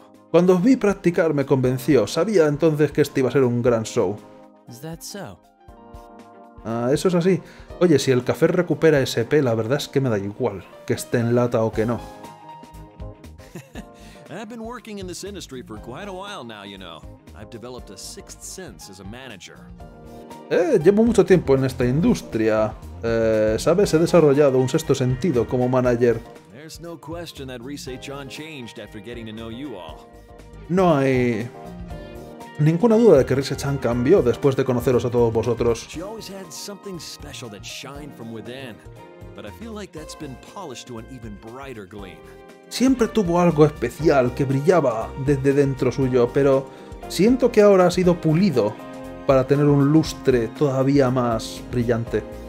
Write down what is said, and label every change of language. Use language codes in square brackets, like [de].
[es] Cuando os vi practicar me convenció. Sabía entonces que este iba a ser un gran show. Eso es así. Oye, si el café recupera SP, la verdad es que me da igual que esté en lata o que no. [en] I've been working in this industry for quite a while now, you know. I've developed a sixth sense as a manager. [es] Llevo mucho tiempo en esta industria. ¿Sabes? He desarrollado un sexto sentido como manager. [en] There's no question that Rise-chan changed after getting to know you all. [es] No hay ninguna duda de que Rise-chan cambió después de conoceros a todos vosotros. [en] She always had something special that shined from within, but I feel like that's been polished to an even brighter gleam. [es] Siempre tuvo algo especial que brillaba desde dentro suyo, pero siento que ahora ha sido pulido para tener un lustre todavía más brillante.